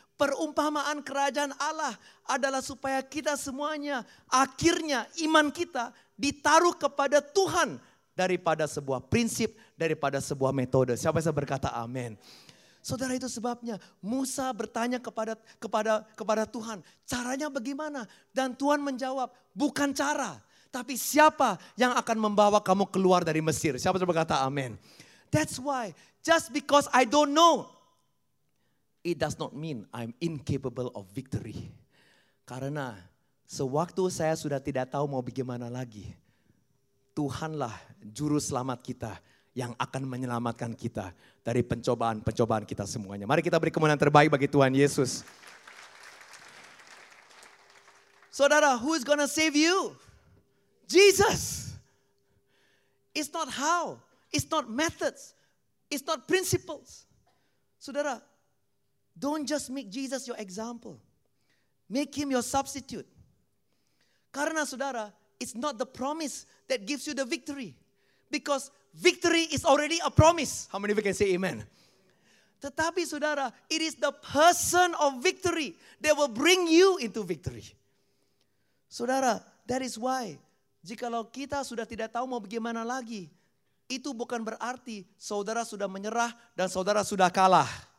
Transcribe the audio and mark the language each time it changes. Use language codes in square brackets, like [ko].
[id] Perumpamaan kerajaan Allah adalah supaya kita semuanya, akhirnya iman kita ditaruh kepada Tuhan daripada sebuah prinsip, daripada sebuah metode. Siapa yang berkata amin? Saudara, itu sebabnya Musa bertanya kepada Tuhan, caranya bagaimana? Dan Tuhan menjawab, bukan cara, tapi siapa yang akan membawa kamu keluar dari Mesir? Siapa yang berkata amin? [en] That's why, just because I don't know, it does not mean I'm incapable of victory. [id] Karena sewaktu saya sudah tidak tahu mau bagaimana lagi, Tuhanlah juru selamat kita yang akan menyelamatkan kita dari pencobaan-pencobaan kita semuanya. Mari kita beri kemuliaan terbaik bagi Tuhan Yesus. [en] Saudara, who is gonna save you? Jesus. It's not how, it's not methods, it's not principles. Saudara, don't just make Jesus your example. Make him your substitute. [id] Karena saudara, [en] it's not the promise that gives you the victory. Because victory is already a promise. How many of you can say amen? [id] Tetapi saudara, [en] it is the person of victory that will bring you into victory. [id] Saudara, [en] that is why, [id] jikalau kita sudah tidak tahu mau bagaimana lagi, itu bukan berarti saudara sudah menyerah dan saudara sudah kalah.